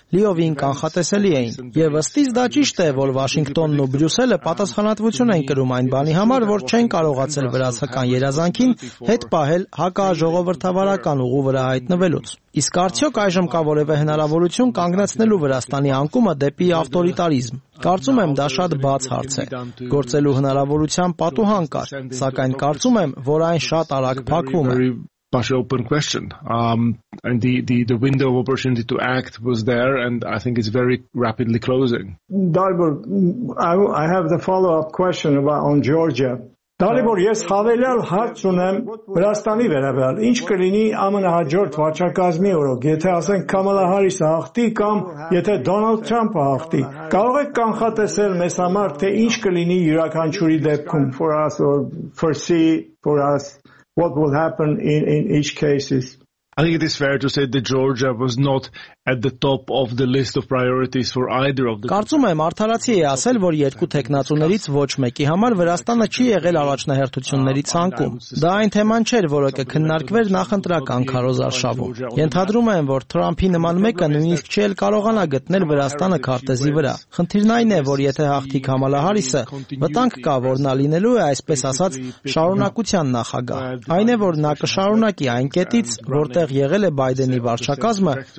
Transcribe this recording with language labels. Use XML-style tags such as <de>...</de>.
<hy>լիովին կանխատեսելի էին։ Եվ ըստ իս դա ճիշտ է, որ Վաշինգտոնն ու Բրյուսելը պատասխանատվություն են կրում այն բանի համար, որ չեն կարողացել վրացական երազանքին հետ պահել հակաժողովրդավարական ուղու վրա հայտնվելուց։ Իսկ արդյոք այժմ կա որևէ հնարավորություն կանգնեցնելու Վրաստանի անկումը դեպի ավտորիտարիզմ։ Կարծում եմ, դա շատ բաց հարց է։ Գործելու հնարավորության պատուհան կար, սակայն կարծում եմ, որ այն շատ արագ փակվում է։</hy> <en>Much open question. And the window of opportunity to act was there, and I think it's very rapidly closing. Dalibor, I have the follow-up question on Georgia.</en> <hy>Dalibor, yes, հավելյալ հարց ունեմ Վրաստանի վերաբերյալ. Ինչ կլինի ԱՄՆ հաջորդ վարչակազմի օրոք, եթե ասենք Կամալա Հարիսը հաղթի կամ եթե Դոնալդ Թրամփը հաղթի։ Կարող եք կանխատեսել մեզ համար, թե ինչ կլինի յուրաքանչյուրի դեպքում?</hy> <en>For us or foresee for us what will happen in each cases. I think it is fair to say that Georgia was not at the top of the list of priorities for either of the</en> <hy>Կարծում եմ արդարացի է ասել, որ երկու տեխնացուներից ոչ մեկի համար Վրաստանը չի եղել առաջնահերթությունների ցանկում։ Դա այն թեման չէր, որը կքննարկվեր նախընտրական քարոզարշավում։ Ենթադրում եմ, որ Թրամփի նման մեկը նույնիսկ չի էլ կարողանա գտնել Վրաստանը քարտեզի վրա։ Խնդիրն այն է, որ եթե հաղթի Կամալա Հարիսը, վտանգ կա, որ նա լինելու է, այսպես ասած, շարունակության նախագահ։ Այն է, որ նա կշարունակի այն կետից, որտեղ եղել է Բայդենի վարչակազմը,</hy>